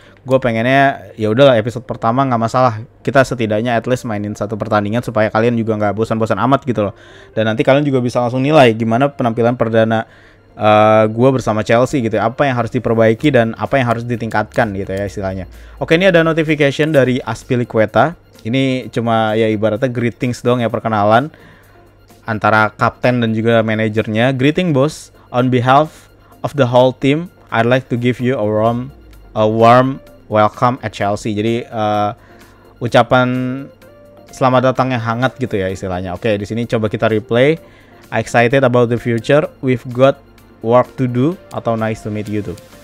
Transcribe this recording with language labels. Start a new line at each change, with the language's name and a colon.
Indonesian: Gue pengennya ya udahlah episode pertama nggak masalah, kita setidaknya at least mainin satu pertandingan supaya kalian juga nggak bosan-bosan amat gitu loh, dan nanti kalian juga bisa langsung nilai gimana penampilan perdana gue bersama Chelsea gitu, apa yang harus diperbaiki dan apa yang harus ditingkatkan gitu ya istilahnya. Oke, ini ada notification dari Azpilicueta, ini cuma ya ibaratnya greetings doang ya, perkenalan antara kapten dan juga manajernya.
English: Greeting boss, on behalf of the whole team, I'd like to give you a warm welcome at Chelsea.
Indonesian: Jadi ucapan selamat datang yang hangat gitu ya istilahnya. Oke, di sini coba kita replay.
English: I'm excited about the future. We've got work to do.
Indonesian: Atau
English: nice to meet you too.